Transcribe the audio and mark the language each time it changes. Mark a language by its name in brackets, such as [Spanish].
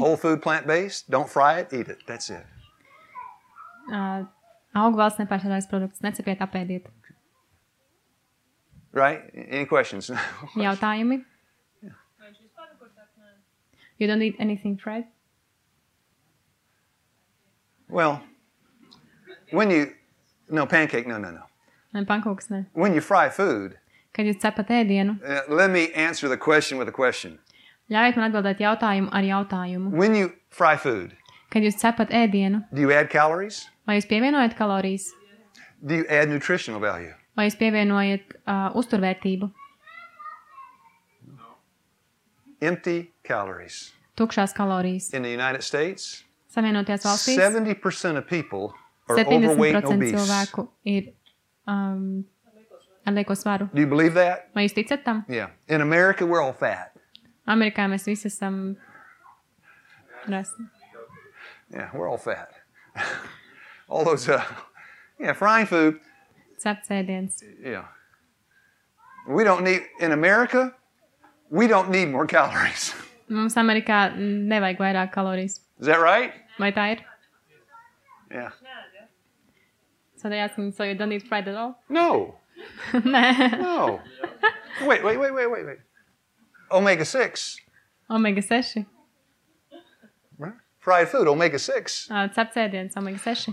[English] Whole food plant-based, don't fry it, eat it. That's it. [Latvian] Augu valsts nepārsādājas produktus, necepiet, apēdiet. [English] Right? Any questions? [Latvian] Jautājumi? [English] Yeah. You don't eat anything fried? Well, when you... No, pancake, no. [Latvian] Pankūkas, ne. [English] When you fry food... [Latvian] Kad jūs cepat ēdienu... [English] Let me answer the question with a question. [Latvian] Ļaujiet man atbildēt jautājumu ar jautājumu. [English] When you fry food... [Latvian] Kad jūs cepat ēdienu... [English] Do you add calories? [Latvian] Vai jūs pievienojat kalorijas? [English] Do you add nutritional value? [Latvian] Vai jūs pievienojat uzturvērtību? [English] No. Empty calories. [Latvian] Tukšās kalorijas. [English] In the United States... 70% of people are overweight and obese. [Latvian] Cilvēku ir ar lieko svaru. [English] Do you believe that? [Latvian] Vai jūs ticat tam? [English] Yeah. In America we're all fat. [Latvian] Amerikā mēs visi esam resni. [English] Yeah, we're all fat. All those Yeah, frying food. [Latvian] Cepts ēdiens. [English] Yeah. We don't need, in America, we don't need more calories. [Latvian] Mums Amerikā nevajag vairāk kalorijas. [English] Is that right? [Latvian] Vai tā ir? [English] Yeah. So they ask me, so you don't eat fried at all? No. [Latvian] Nē. [English] No. Wait. Omega 6. Omega 6. Fried food, omega 6. [Latvian] Cepts ēdiens, omega 6.